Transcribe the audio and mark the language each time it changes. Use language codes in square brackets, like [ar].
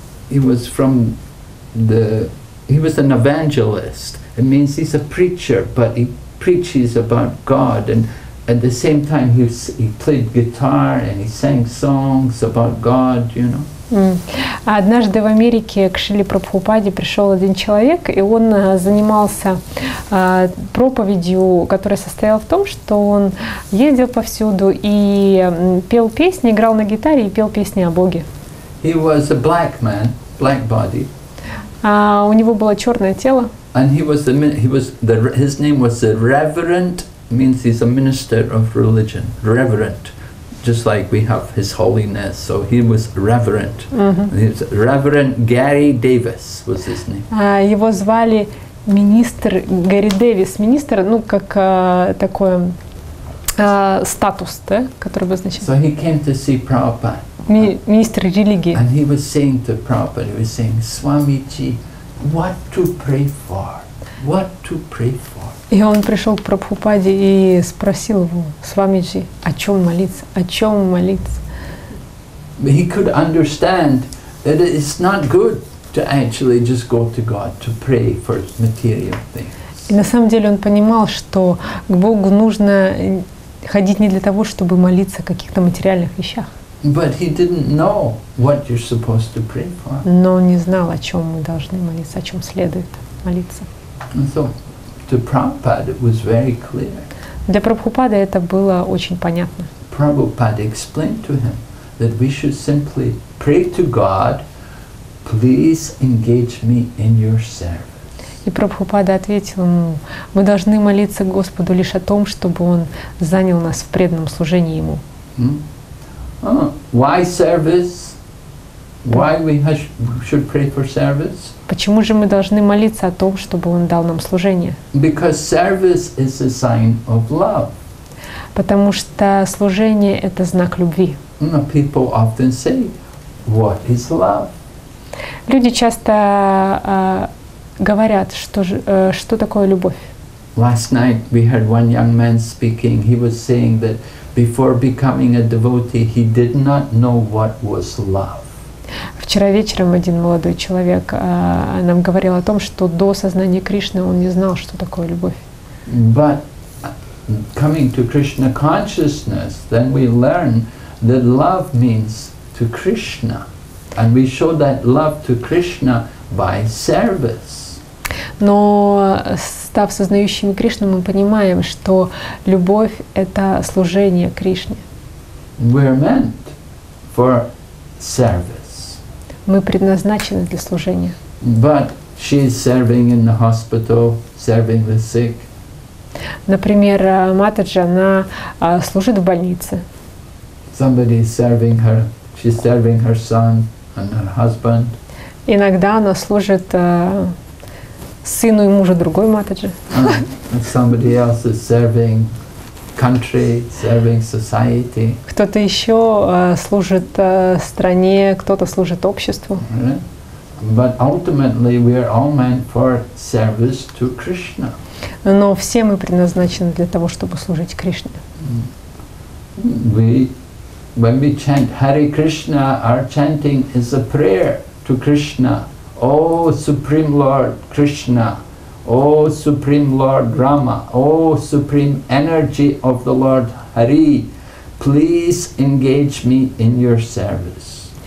[en] He was an evangelist. It means he's a preacher, but he preaches about God, and at the same time he played guitar and he sang songs about God, you know. [ru] А однажды в Америке к Шриле Прабхупаде пришел один человек, и он занимался проповедью, которая состояла в том, что он ездил повсюду и пел песни, играл на гитаре и пел песни о Боге. [en] He was a black man, black body. [ru] А у него было черное тело. [en] And his name was the Reverend, means he's a minister of religion, Reverend, just like we have His Holiness. So he was Reverend. Mm-hmm. He was Reverend Gary Davis was his name. [ru] Его звали министр Гарри Дэвис, министр, ну как такое статус, да, который бы значил. [en] So he came to see Prabhupada. [ru] Министр религии. [en] And he was saying to Prabhupada, he was saying, Swamiji, what to pray for? What to pray for? [ru] И он пришел к Прабхупаде и спросил его: Свамиджи, о чем молиться? О чем молиться? [en] He could understand that it's not good to actually just go to God to pray for material things. [ru] И на самом деле он понимал, что к Богу нужно ходить не для того, чтобы молиться о каких-то материальных вещах. [en] But he didn't know what you're supposed to pray for. [ru] Но он не знал, о чем мы должны молиться, о чем следует молиться. [en] And so, to Prabhupada, it was very clear. [ru] Для Прабхупады это было очень понятно. [en] Prabhupada explained to him that we should simply pray to God, please engage me in your service. [ru] И Прабхупада ответил ему: мы должны молиться Господу лишь о том, чтобы Он занял нас в преданном служении Ему. [en] Oh, why service? Why we should pray for service? [ru] Почему же мы должны молиться о том, чтобы Он дал нам служение? [en] Because service is a sign of love. [ru] Потому что служение — это знак любви. [en] No, people often say, what is love? [ru] Люди часто говорят, что такое любовь. [en] Last night we heard one young man speaking. He was saying that before becoming a devotee, he did not know what was love. [ru] Вчера вечером один молодой человек нам говорил о том, что до сознания Кришны он не знал, что такое любовь. [en] But coming to Krishna consciousness, then we learn that love means to Krishna, and we show that love to Krishna by service. [ru] Но став сознающим Кришну, мы понимаем, что любовь — это служение Кришне. [en] We are meant for service. [ru] Мы предназначены для служения. [en] But she is serving in the hospital, serving the sick. [ru] Например, Матаджи, она служит в больнице. [en] Somebody is serving her She's serving her son and her husband. [ru] Иногда она служит сыну и мужу другой матаджи. [en] And somebody else is serving country, serving society. [ru] Кто-то еще служит стране, кто-то служит обществу. [en] But ultimately we are all meant for service to Krishna. [ru] Но все мы предназначены для того, чтобы служить Кришне. [en] When we chant Hare Krishna, our chanting is a prayer to Krishna. O Supreme Lord Krishna, O Supreme Lord Rama, O Supreme Energy of the Lord Hari, please engage me in your service.